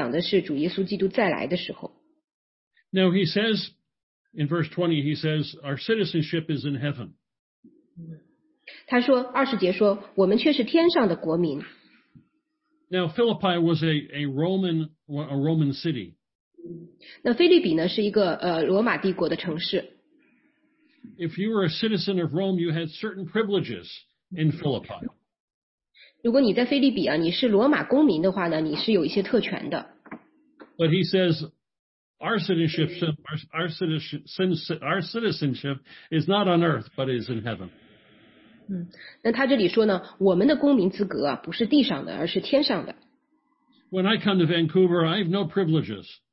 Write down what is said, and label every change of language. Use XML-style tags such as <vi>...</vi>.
<zh>那这两节呢，我今天只是简短的提一下，等我们下次在聚会的时候呢，我会讲的更多一点。这两节呢，讲的是主耶稣基督再来的时候。Now</zh> <en>he says, in verse 20, he says, our citizenship is in heaven.</en> <zh>他说，20节说，我们却是天上的国民。Now</zh> <en>Philippi was a Roman city.</en> <zh>那腓立比呢，是一个罗马帝国的城市。</zh> <en>If you were a citizen of Rome, you had certain privileges in Philippi.</en> <zh>如果你在菲利比啊，你是罗马公民的话呢，你是有一些特权的。</zh> <en>But he says, our citizenship is not on earth, but is in heaven.</en> <zh>那他这里说呢，我们的公民资格啊，不是地上的，而是天上的。</zh> <en>When I come to Vancouver, I have no privileges.</en>